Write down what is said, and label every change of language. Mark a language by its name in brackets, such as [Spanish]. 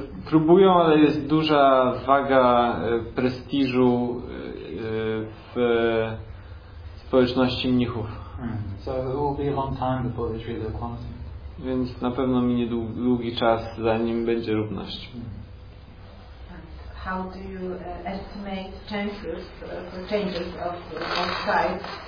[Polish] Próbują, ale jest duża waga prestiżu w społeczności mnichów. [English] So it will be a long time before there's real equality. [Polish] Więc na pewno minie długi czas, zanim będzie równość. [English] How do you estimate chances for changes of both sides?